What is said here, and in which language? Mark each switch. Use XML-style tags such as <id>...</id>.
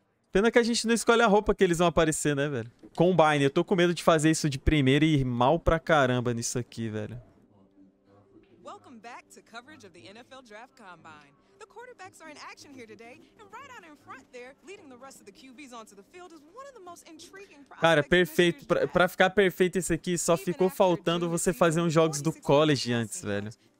<pt>Pena que a gente não escolhe a roupa que eles vão aparecer, né, velho? Combine, eu tô com medo de fazer isso de primeira e ir mal pra caramba nisso aqui, velho.</pt> <en>Welcome back to coverage of the NFL Draft Combine. The quarterbacks are in action here today, and right out in front there, leading the rest of the QBs onto the field is one of the most intriguing prospects.</en> <pt>Cara, perfeito. Pra ficar perfeito esse aqui, só ficou faltando você fazer uns jogos do college antes, velho.</pt>